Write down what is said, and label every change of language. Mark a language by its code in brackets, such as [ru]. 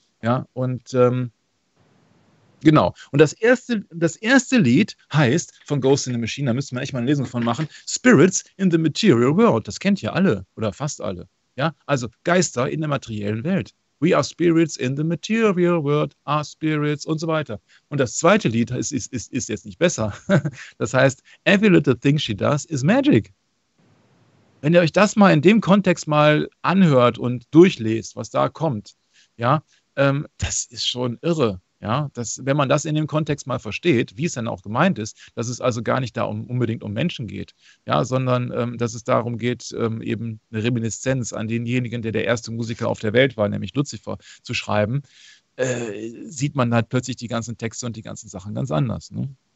[de] Ja, und genau. Und das erste Lied heißt von Ghost in the Machine, da müsste man echt mal eine Lesung von machen, Spirits in the Material World. Das kennt ja alle oder fast alle. Ja, also Geister in der materiellen Welt. [en] We are spirits in the material world, are spirits [de] und so weiter. Und das zweite Lied ist jetzt nicht besser. Das heißt, [en] every little thing she does is magic. [de] Wenn ihr euch das mal in dem Kontext mal anhört und durchlest, was da kommt, ja, das ist schon irre, ja. Das, wenn man das in dem Kontext mal versteht, wie es dann auch gemeint ist, dass es also gar nicht da unbedingt um Menschen geht, ja, sondern dass es darum geht, eben eine Reminiszenz an denjenigen, der erste Musiker auf der Welt war, nämlich Lucifer, zu schreiben, sieht man halt plötzlich die ganzen Texte und die ganzen Sachen ganz anders, ne?